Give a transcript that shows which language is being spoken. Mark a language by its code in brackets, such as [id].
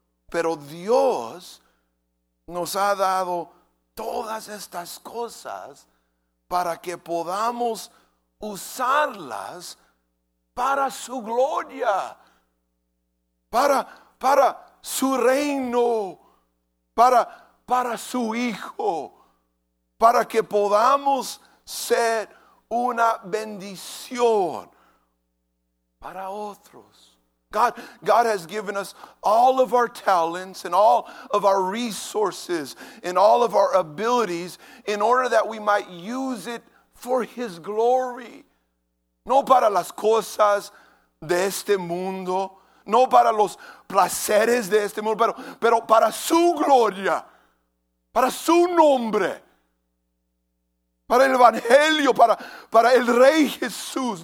[es] Pero Dios nos ha dado todas estas cosas para que podamos usarlas para su gloria, para su reino, para su Hijo, para que podamos ser una bendición para otros. [en] God has given us all of our talents and all of our resources and all of our abilities in order that we might use it for His glory. [es] No para las cosas de este mundo, no para los placeres de este mundo, pero para su gloria, para su nombre, para el Evangelio, para el Rey Jesús.